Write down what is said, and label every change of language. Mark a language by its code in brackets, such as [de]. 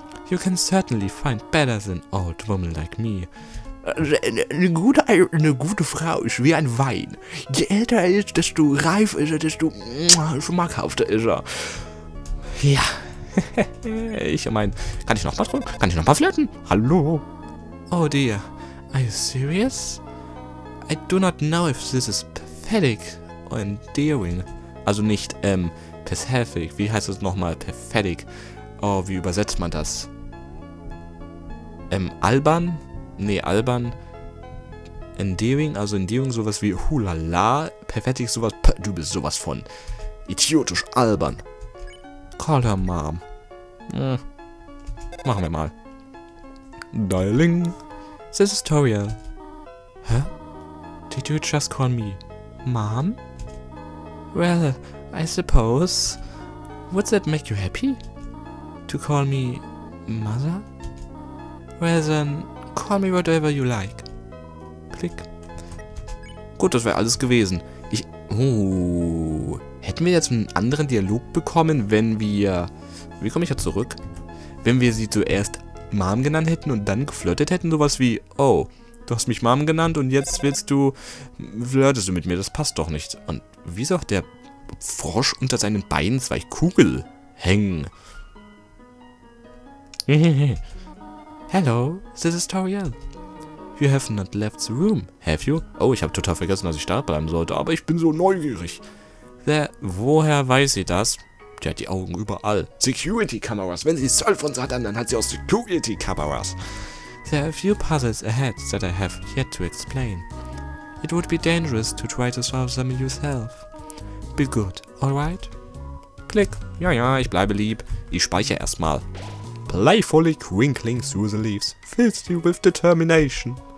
[en] You can certainly find better than old woman like me. [de] Eine gute Frau ist wie ein Wein. Je älter er ist, desto reif ist er, desto schmackhafter ist er. Ja. Kann ich nochmal drücken? Kann ich nochmal flirten? Hallo? [en] Oh dear. Are you serious? I do not know if this is pathetic or endearing. [de] Also nicht, pathetic. Wie heißt es nochmal? Pathetic. Oh, wie übersetzt man das? Albern? Nee, albern. Endearing, also Endearing sowas wie hulala. Pathetic sowas, du bist sowas von idiotisch albern. [en] Call her mom. [de] Machen wir mal. [en] Darling. This is Toriel. Hä? Huh? Did you just call me mom? Well, I suppose. Would that make you happy? To call me mother? Well then, call me whatever you like. [de] Klick. Gut, das wäre alles gewesen. Hätten wir jetzt einen anderen Dialog bekommen, wenn wir... Wie komme ich jetzt zurück? Wenn wir sie zuerst Mom genannt hätten und dann geflirtet hätten? Sowas wie, oh, du hast mich Mom genannt und jetzt flirtest du mit mir, das passt doch nicht. Und wie ist auch der Frosch unter seinen Beinen zwei Kugel hängen? [en] Hello, this is Toriel. You have not left the room, have you? [de] Oh, ich habe total vergessen, dass ich da bleiben sollte, aber ich bin so neugierig. Woher weiß sie das? Die hat die Augen überall. Security-Kameras. Wenn sie 12 von uns hat, dann hat sie auch Security-Kameras. [en] There are a few puzzles ahead that I have yet to explain. It would be dangerous to try to solve them yourself. Be good, alright? [de] Klick. Ja, ich bleibe lieb. Ich speichere erstmal. [en] Playfully crinkling through the leaves, fills you with determination.